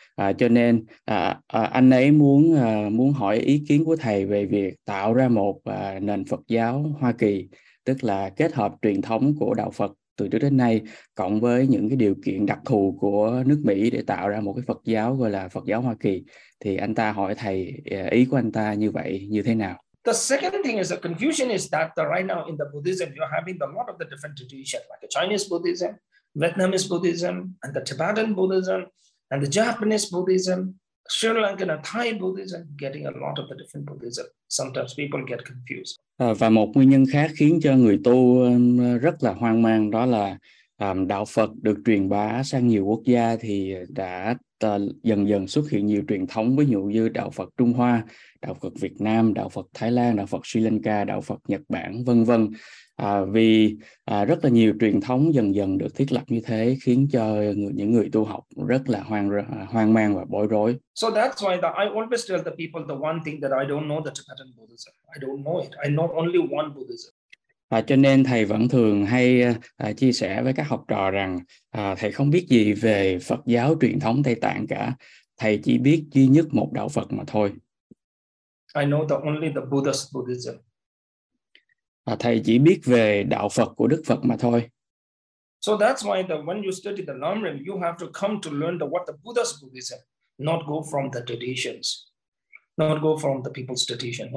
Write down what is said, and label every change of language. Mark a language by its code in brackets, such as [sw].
[vi] Cho nên anh ấy muốn muốn hỏi ý kiến của thầy về việc tạo ra một nền Phật giáo Hoa Kỳ, tức là kết hợp truyền thống của Đạo Phật từ trước đến nay cộng với những cái điều kiện đặc thù của nước Mỹ để tạo ra một cái Phật giáo gọi là Phật giáo Hoa Kỳ. Thì anh ta hỏi thầy ý của anh ta như vậy, như thế nào? [en] The second thing is the confusion is that right now in the Buddhism, you're having a lot of the different traditions, like a Chinese Buddhism, Vietnamese Buddhism, and the Tibetan Buddhism, and the Japanese Buddhism. Sri Lankan and Thai Buddhism getting a lot of the different Buddhism. Sometimes people get confused. [vi] Và một nguyên nhân khác khiến cho người tu rất là hoang mang đó là đạo Phật được truyền bá sang nhiều quốc gia thì đã dần dần xuất hiện nhiều truyền thống, ví dụ như đạo Phật Trung Hoa, đạo Phật Việt Nam, đạo Phật Thái Lan, đạo Phật Sri Lanka, đạo Phật Nhật Bản, vân vân. Vì rất là nhiều truyền thống dần dần được thiết lập như thế khiến cho những người tu học rất là hoang mang và bối rối. [en] So that's why I always tell the people the one thing that I don't know the Tibetan Buddhism. I don't know it. I know only one Buddhism. [vi] Cho nên thầy vẫn thường hay chia sẻ với các học trò rằng thầy không biết gì về Phật giáo truyền thống Tây Tạng cả. Thầy chỉ biết duy nhất một đạo Phật mà thôi. [en] I know the only the Buddhist Buddhism. [vi] Thầy chỉ biết về đạo Phật của Đức Phật mà thôi. [en] So that's why the, when you study the Lamrim, you have to come to learn the, what the Buddhist Buddhism, not go from the traditions, not go from the people's tradition.